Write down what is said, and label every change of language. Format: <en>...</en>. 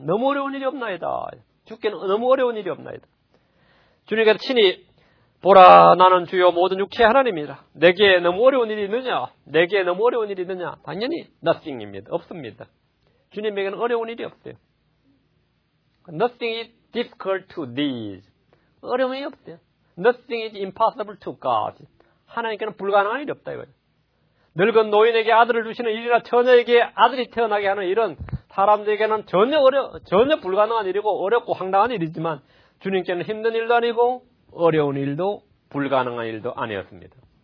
<ko>너무 어려운 일이 없나이다. 주께는 너무 어려운 일이 없나이다. 주님께서 친히 보라 나는 주여 모든 육체의 하나님이라. 내게 너무 어려운 일이 있느냐? 내게 너무 어려운 일이 있느냐? 당연히 nothing입니다. 없습니다. 주님에게는 어려운 일이 없어요.</ko> <en>Nothing is difficult to these.</en> <ko>어려움이 없어요.</ko> <en>Nothing is impossible to God.</en> <ko>하나님께는 불가능한 일이 없다 이거예요. 늙은 노인에게 아들을 주시는 일이나 처녀에게 아들이 태어나게 하는 일은 사람들에게는 전혀 불가능한 일이고 어렵고 황당한 일이지만 주님께는 힘든 일도 아니고 어려운 일도 불가능한 일도 아니었습니다.</ko>